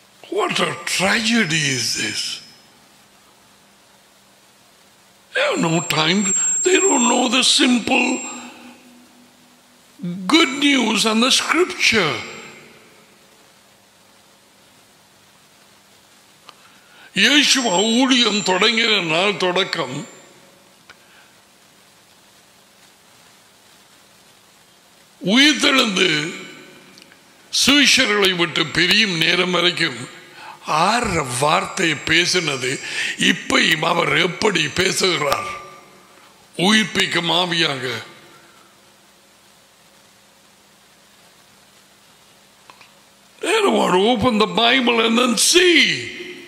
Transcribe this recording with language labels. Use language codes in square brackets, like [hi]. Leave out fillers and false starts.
[en] What a tragedy is this. They have no time. They don't know the simple good news and the scripture. [ta] Yeshua ஊழியம் தொடங்கின நாள் தொடக்கம் உயிர்த்தெழுந்து சுவிசேஷங்களை விட்டு பிரியும் நேரம் வரைக்கும் ஆறு வார்த்தை பேசினது. இப்பையும் அவர் எப்படி பேசுகிறார்? உயிர்ப்பிக்கும் ஆவியாக [en] open the Bible and then see.